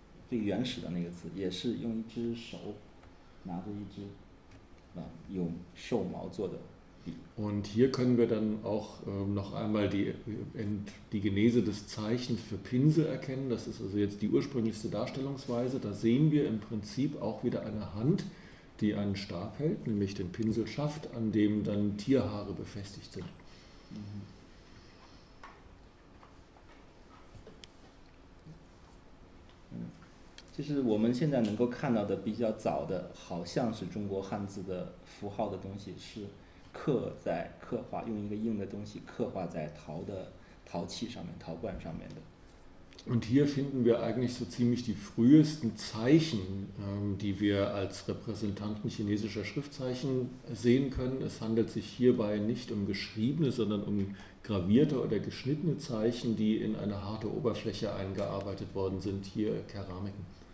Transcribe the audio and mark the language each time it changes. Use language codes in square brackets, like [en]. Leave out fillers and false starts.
[zh] 最原始的那个字也是用一只手拿着一只用兽毛做的笔。 [de] Und hier können wir dann auch noch einmal die Genese des Zeichens für Pinsel erkennen. Das ist also jetzt die ursprünglichste Darstellungsweise. Da sehen wir im Prinzip auch wieder eine Hand, die einen Stab hält, nämlich den Pinselschaft, an dem dann Tierhaare befestigt sind. [zh] 其实我们现在能够看到的比较早的好像是中国汉字的符号的东西是刻画用一个硬的东西刻画在陶器上面陶罐上面的。 [de] Und hier finden wir eigentlich so ziemlich die frühesten Zeichen, die wir als Repräsentanten chinesischer Schriftzeichen sehen können. Es handelt sich hierbei nicht um geschriebene, sondern um gravierte oder geschnittene Zeichen, die in eine harte Oberfläche eingearbeitet worden sind, hier Keramiken.